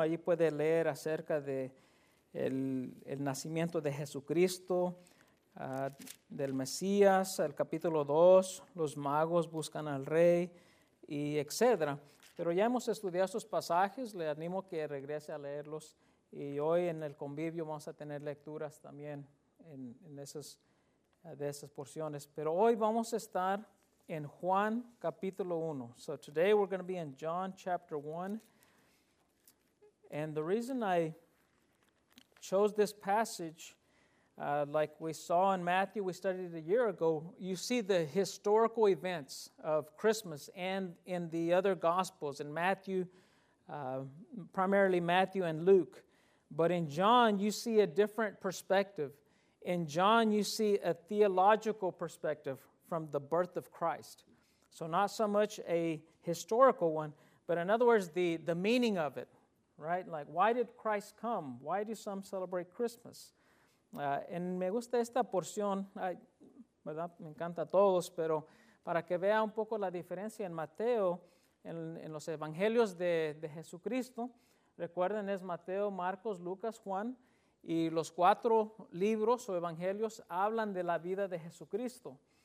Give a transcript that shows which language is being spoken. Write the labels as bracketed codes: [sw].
[es] Allí puede leer acerca de el nacimiento de Jesucristo, del Mesías, el capítulo 2, los magos buscan al rey, y etc. Pero ya hemos estudiado estos pasajes, le animo que regrese a leerlos, y hoy en el convivio vamos a tener lecturas también en esas porciones. Pero hoy vamos a estar en Juan capítulo 1. [en] So today we're going to be in John chapter 1. And the reason I chose this passage, like we saw in Matthew, we studied it a year ago, you see the historical events of Christmas and in the other Gospels, in Matthew, primarily Matthew and Luke. But in John, you see a different perspective. In John, you see a theological perspective from the birth of Christ. So not so much a historical one, but in other words, the meaning of it. Right? Like, why did Christ come? Why do some celebrate Christmas? [es] And me gusta esta porción, ¿verdad? Me encanta a todos, pero para que vea un poco la diferencia en Mateo, en los evangelios de Jesucristo, recuerden, es Mateo, Marcos, Lucas, Juan, y los cuatro libros o evangelios hablan de la vida de Jesucristo.